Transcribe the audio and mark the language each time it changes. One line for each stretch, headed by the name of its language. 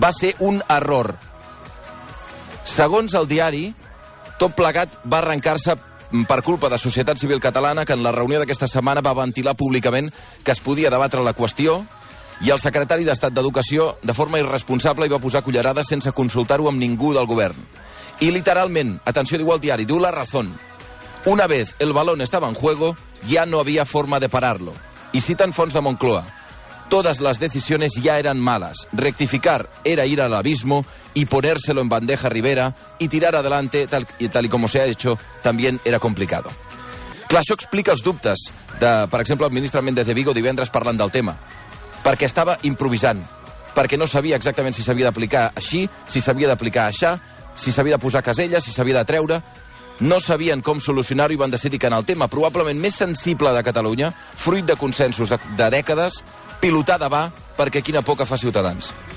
Catalan: Va ser un error. Segons el diari, tot plegat va arrencar-se per culpa de Societat Civil Catalana, que en la reunió d'aquesta setmana va ventilar públicament que es podia debatre la qüestió, i el secretari d'Estat d'Educació, de forma irresponsable, hi va posar cullerada sense consultar-ho amb ningú del govern. I literalment, atenció, diu el diari, diu La Razón:
Spanish: una vez el balón estaba en juego, ya no había forma de pararlo. Y citan fons de Moncloa: todas las decisiones ya eran malas. Rectificar era ir al abismo y ponérselo en bandeja Rivera y tirar adelante tal y como se ha hecho también era complicado.
Catalan: Clar, això explica els dubtes de, per exemple, el ministre Méndez de Vigo divendres parlant del tema. Perquè estava improvisant, perquè no sabia exactament si s'havia d'aplicar així, si s'havia d'aplicar aixà, si s'havia de posar caselles, si s'havia de treure. No sabien com solucionar-ho i van decidir que en el tema probablement més sensible de Catalunya, fruit de consensos de dècades, pilotada va perquè quina por que fa Ciutadans.